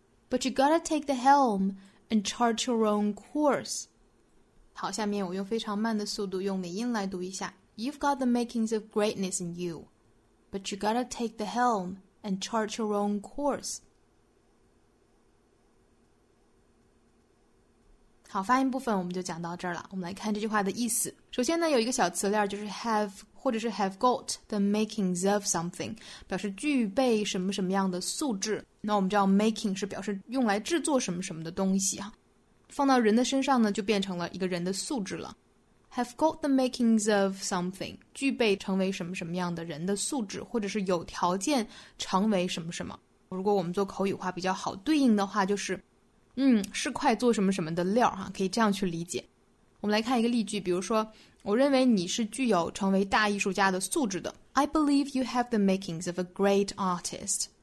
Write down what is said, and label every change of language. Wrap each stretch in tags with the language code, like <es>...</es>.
<en>But you gotta take the helm and chart your own course.</en> <zh>好，下面我用非常慢的速度用美音来读一下。</zh> <en>You've got the makings of greatness in you, but you gotta take the helm and chart your own course.</en> <zh>好，发音部分我们就讲到这儿了。我们来看这句话的意思。首先呢，有一个小词链就是 have或者是</zh> <en>have got the makings of something，</en> <zh>表示具备什么什么样的素质。那我们知道 making 是表示用来制作什么什么的东西，放到人的身上呢就变成了一个人的素质了。</zh> <en>have got the makings of something，</en> <zh>具备成为什么什么样的人的素质，或者是有条件成为什么什么。如果我们做口语化比较好对应的话，就是是快做什么什么的料哈，可以这样去理解。我们来看一个例句，比如说我认为你是具有成为大艺术家的素质的。</zh> <en>I believe you have the makings of a great artist.</en>